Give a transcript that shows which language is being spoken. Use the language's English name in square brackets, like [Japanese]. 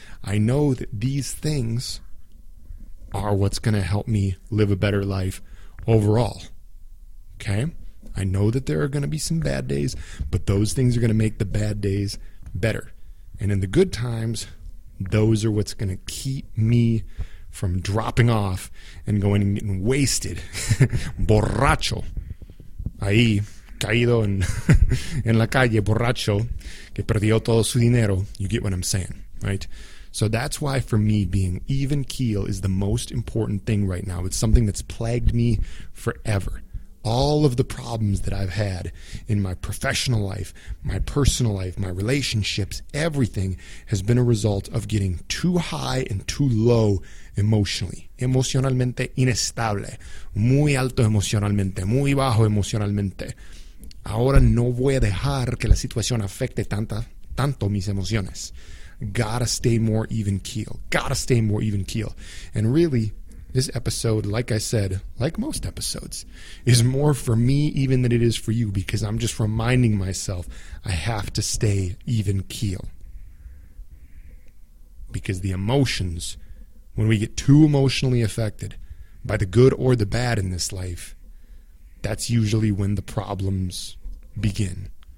[English] I know that these things are what's going to help me live a better life overall. Okay? I know that there are going to be some bad days, but those things are going to make the bad days better. And in the good times, those are what's going to keep me from dropping off and going and getting wasted. [Spanish] Borracho. Ahí, caído en, en la calle, borracho, que perdió todo su dinero. [English] You get what I'm saying, right? So that's why for me, being even keel is the most important thing right now. It's something that's plagued me forever. All of the problems that I've had in my professional life, my personal life, my relationships, everything has been a result of getting too high and too low emotionally. [Spanish] Emocionalmente inestable. Muy alto emocionalmente. Muy bajo emocionalmente. Ahora no voy a dejar que la situación afecte tanto mis emociones. [English] Gotta stay more even keel. Gotta stay more even keel. And really, this episode, like I said, like most episodes, is more for me even than it is for you, because I'm just reminding myself I have to stay even keel. Because the emotions, when we get too emotionally affected by the good or the bad in this life, that's usually when the problems begin.